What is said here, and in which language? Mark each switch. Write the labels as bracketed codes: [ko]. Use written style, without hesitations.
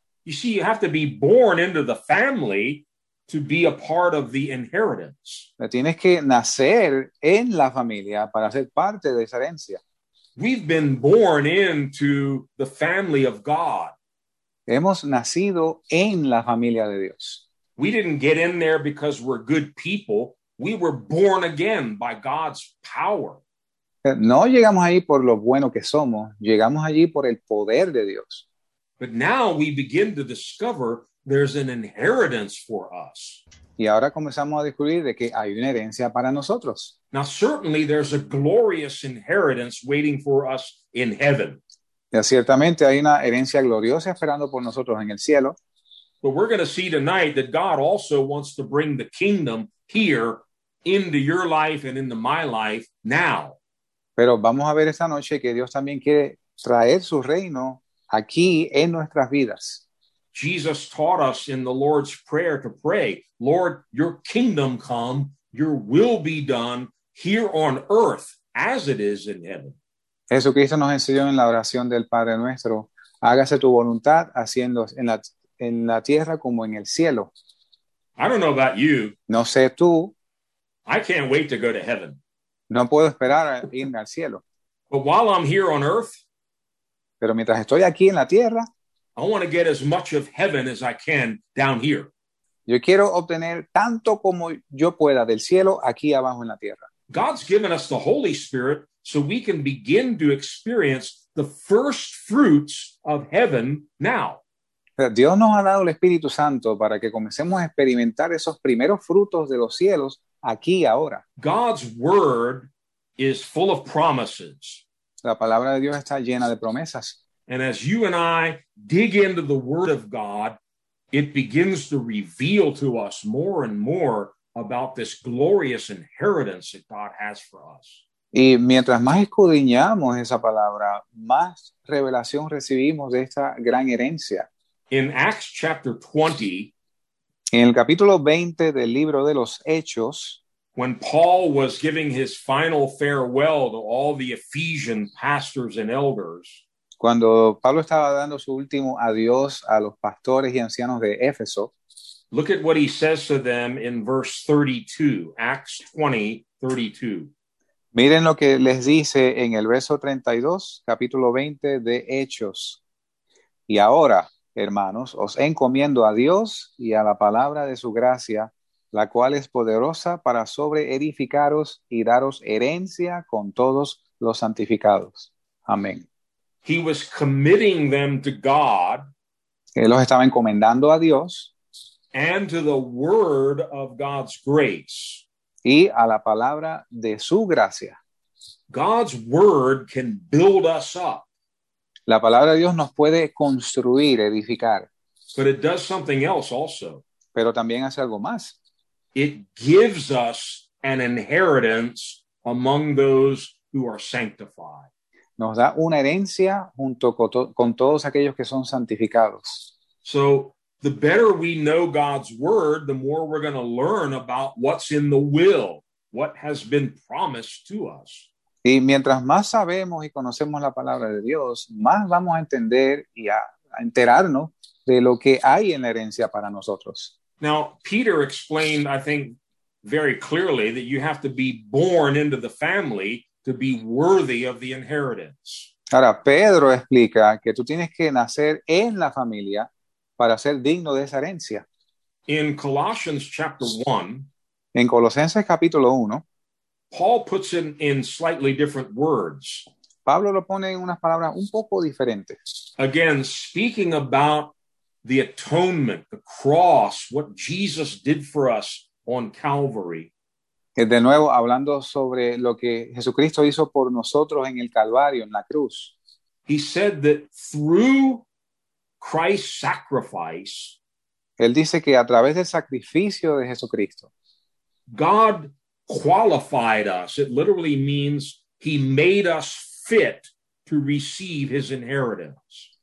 [en] You see, you have to be born into the family to be a part of the inheritance. [es] La tienes que nacer en la familia para ser parte de esa herencia. [en] We've been born into the family of God. [es] Hemos nacido en la familia de Dios. [en] We didn't get in there because we're good people. We were born again by God's power. [es] No llegamos ahí por lo bueno que somos. Llegamos allí por el poder de Dios. [en] But now we begin to discover there's an inheritance for us. [es] Y ahora comenzamos a descubrir de que hay una herencia para nosotros. [en] Now certainly there's a glorious inheritance waiting for us in heaven. [es] Ya, ciertamente hay una herencia gloriosa esperando por nosotros en el cielo. [en] But we're going to see tonight that God also wants to bring the kingdom here into your life and into my life now. [es] Pero vamos a ver esta noche que Dios también quiere traer su reino aquí en nuestras vidas. [en] Jesus taught us in the Lord's Prayer to pray, Lord, your kingdom come, your will be done here on earth as it is in heaven. [es] Jesucristo nos enseñó en la oración del Padre Nuestro, hágase tu voluntad haciendo en la tierra como en el cielo. [en] I don't know about you. [es] No sé tú. [en] I can't wait to go to heaven. [es] No puedo esperar a ir al cielo. [en] But while I'm here on earth, [es] pero mientras estoy aquí en la tierra, [en] I want to get as much of heaven as I can down here. [es] Yo quiero obtener tanto como yo pueda del cielo aquí abajo en la tierra. [en] God's given us the Holy Spirit so we can begin to experience the first fruits of heaven now. [es] Dios nos ha dado el Espíritu Santo para que comencemos a experimentar esos primeros frutos de los cielos aquí ahora. [en] God's word is full of promises. [es] La palabra de Dios está llena de promesas. [en] And as you and I dig into the Word of God, it begins to reveal to us more and more about this glorious inheritance that God has for us. [es] Y mientras más escudriñamos esa palabra, más revelación recibimos de esta gran herencia. [en] In Acts chapter 20, [es] en el capítulo 20 del libro de los Hechos, [en] when Paul was giving his final farewell to all the Ephesian pastors and elders, [es] cuando Pablo estaba dando su último adiós a los pastores y ancianos de Éfeso, [en] look at what he says to them in verse 32, Acts 20, 32. [es] Miren lo que les dice en el verso 32, capítulo 20 de Hechos. Y ahora, hermanos, os encomiendo a Dios y a la palabra de su gracia, la cual es poderosa para sobreedificaros y daros herencia con todos los santificados. Amén. [en] He was committing them to God. [es] Él los estaba encomendando a Dios. [en] And to the word of God's grace. [es] Y a la palabra de su gracia. [en] God's word can build us up. [es] La palabra de Dios nos puede construir, edificar. [en] But it does something else also. [es] Pero también hace algo más. [en] It gives us an inheritance among those who are sanctified. [es] Nos da una herencia junto con todos aquellos que son santificados. [en] So, the better we know God's word, the more we're going to learn about what's in the will, what has been promised to us. [es] Y mientras más sabemos y conocemos la palabra de Dios, más vamos a entender y a enterarnos de lo que hay en la herencia para nosotros. [en] Now, Peter explained, I think, very clearly that you have to be born into the family to be worthy of the inheritance. [es] Ahora, Pedro explica que tú tienes que nacer en la familia para ser digno de esa herencia. [en] In Colossians chapter 1, [es] en Colosenses capítulo 1, [en] Paul puts it in slightly different words. [es] Pablo lo pone en unas palabras un poco diferentes. [en] Again, speaking about the atonement, the cross, what Jesus did for us on Calvary. [es] De nuevo, hablando sobre lo que Jesucristo hizo por nosotros en el Calvario, en la cruz. [en] He said that through Christ's sacrifice, [es] él dice que a través del sacrificio de Jesucristo, [en] God qualified us. It literally means he made us fit to receive his inheritance.